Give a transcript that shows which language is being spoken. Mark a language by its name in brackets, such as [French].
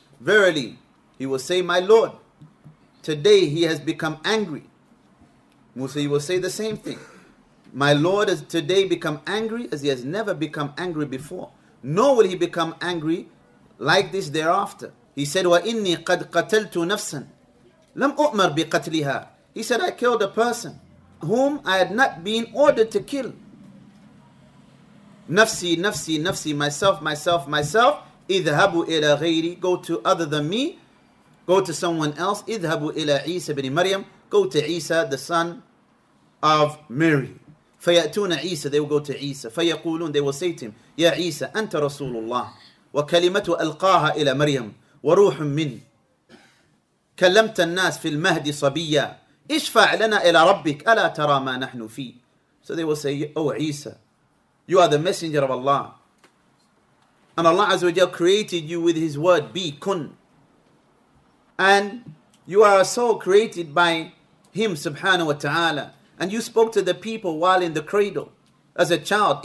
[English] Verily, he will say, my Lord, today he has become angry. Musa, he will say the same thing. My Lord has today become angry as he has never become angry before. Nor will he become angry like this thereafter. He said, [Arabic] وَإِنِّي قَدْ قَتَلْتُ نَفْسًا لَمْ أُؤْمَرْ بِقَتْلِهَا. [English] He said, I killed a person whom I had not been ordered to kill. [Arabic] نَفْسِي, نَفْسِي, نَفْسِي, [English] myself, myself, myself. [Arabic] إِذْهَبُ إِلَى غَيْرِي, [English] go to other than me. Go to someone else. [Arabic] إِذْهَبُ إِلَى عِيسَى بِنِ مَرْيَمْ, [English] go to Isa, the son of Mary. [Arabic] فَيَأْتُونَ عِيسَى, [English] they will go to Isa. [Arabic] فَيَقُولُونَ, [English] they will say to him, [Arabic] يَا عِيسَى, أَنْتَ رَسُولُ اللَّهِ وَكَلِمَةُ أَلْقَاهَا إِلَى مَرْيَمْ وَرُوحٌ مِّنْ كَلَّمْتَ النَّاسِ فِي الْمَهْدِ صَبِيَّا إِشْفَعْ لَنَا إِلَى رَبِّكَ أَلَا تَرَى مَا نَحْنُ فِيهِ. [English] So they will say, oh Isa, you are the messenger of Allah. And Allah Azza wa Jal created you with his word, be, kun. And you are a soul created by him, subhanahu wa ta'ala. And you spoke to the people while in the cradle, as a child.